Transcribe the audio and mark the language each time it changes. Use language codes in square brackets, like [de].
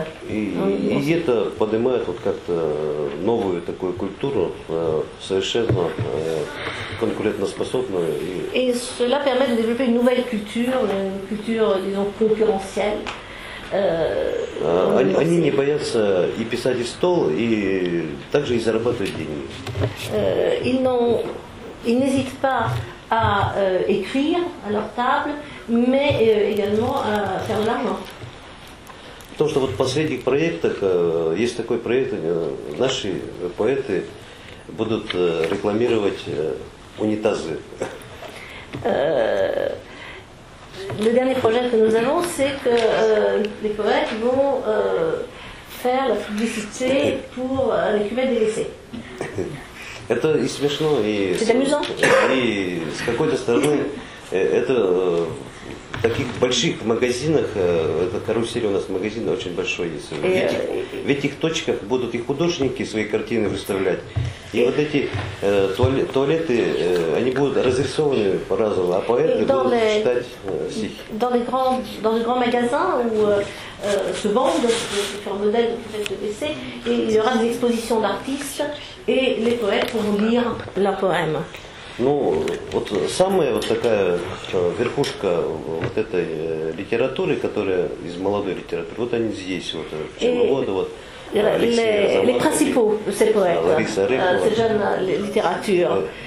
[ru] И это поднимает вот как-то новую такую культуру, совершенно конкурентоспособную. И [fr] cela permet de développer une nouvelle culture, une culture, disons, concurrentielle. [ru] Они не боятся и писать в стол, и также и зарабатывать деньги. [fr] Ils n'hésitent pas à écrire à leur table, mais également à faire de l'argent. [ru] То, что вот в последних проектах есть такой проект, наши поэты будут рекламировать унитазы. [fr] Le dernier projet que nous avons, c'est que les poètes vont faire la publicité pour les cuvettes des WC. [ru] Это и смешно, и [fr] c'est amusant. [ru] И с какой-то стороны это в таких больших магазинах, это карусель у нас, магазин очень большой есть. В этих точках будут и художники свои картины выставлять. И вот эти туалеты, они будут разрисованы по-разному, а поэты будут читать стихи. [fr] Dans les grands magasins, où se vendent différents modèles de WC, et il y aura des expositions d'artistes, et les poètes pourront lire leurs poèmes. [ru] Ну, вот самая вот такая верхушка вот этой литературы, которая из молодой литературы, вот они здесь, вот пчеловоды, вот Алексей Азамов, Лариса Рыкова, литература.